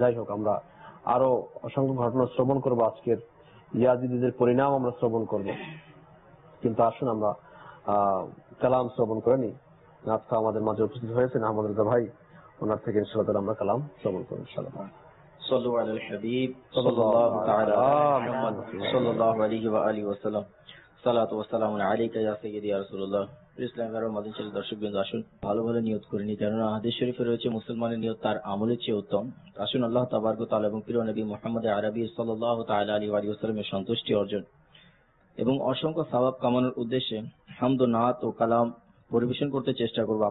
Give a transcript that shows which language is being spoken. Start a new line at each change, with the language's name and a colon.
Bangla: যাই হোক, আমরা আরো অসংখ্য ঘটনা শ্রবণ করবো, আজকের ইয়াজিদিদের পরিণাম আমরা শ্রবণ করব, কিন্তু আসুন আমরা কালাম শ্রবণ করে নিই। নাফসা আমাদের মাঝে উপস্থিত হয়েছে, আহমদ রেজা ভাই, ওনার থেকে ইনশাআল্লাহ আমরা কালাম শ্রবণ করবো ইনশাআল্লাহ।
Arabic: صلوا على الحبيب صلى الله تعالى محمد صلى الله عليه واله وسلم صلاه والسلام عليك يا سيدي يا رسول الله
Bangla: ইসলাম এর মধ্যে চলে। দর্শকবৃন্দ, আসুন ভালো ভালো নিয়ত করে নিই, কারণ হাদিস শরীফে রয়েছে মুসলমানের নিয়ত তার আমলের চেয়ে উত্তম। আসুন আল্লাহ তাবারক তাআলা এবং প্রিয় নবী মুহাম্মদ আরবি সাল্লাল্লাহু তাআলা আলাইহি ওয়া সাল্লামের সন্তুষ্টি অর্জন এবং অসংখ্য সওয়াব কামানোর উদ্দেশ্যে হামদ, নাত ও কালাম পরিবেশন করতে চেষ্টা করব।